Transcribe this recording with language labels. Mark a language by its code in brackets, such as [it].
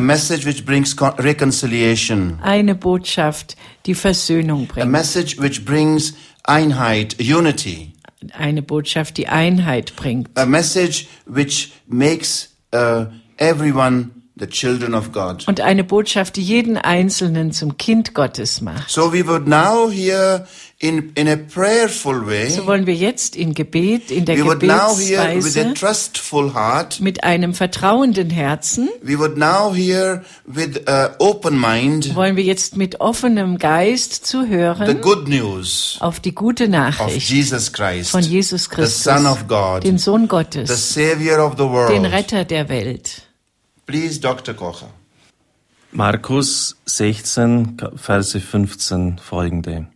[en] A message which brings reconciliation. [de] Eine Botschaft, die Versöhnung bringt. [en] A message which brings Einheit, unity. [de] Eine Botschaft, die Einheit bringt. [en] A message which makes everyone the children of God. [de] Und eine Botschaft, die jeden Einzelnen zum Kind Gottes macht. [en] So we would now here in a prayerful way. [de] So wollen wir jetzt in Gebet, in der Gebetsweise. [en] We would now here with a trustful heart. [de] Mit einem vertrauenden Herzen. [en] We would now here with an open mind. [de] Wollen wir jetzt mit offenem Geist zuhören. [en] The good news. [de] Auf die gute Nachricht. [en] Of Jesus Christ. [de] Von Jesus Christus. [en] The Son of God. [de] Den Sohn Gottes. [en] The Savior of the world. [de] Den Retter der Welt. [en] Please, Dr. Kocher. [de] Markus 16, Verse 15, folgende.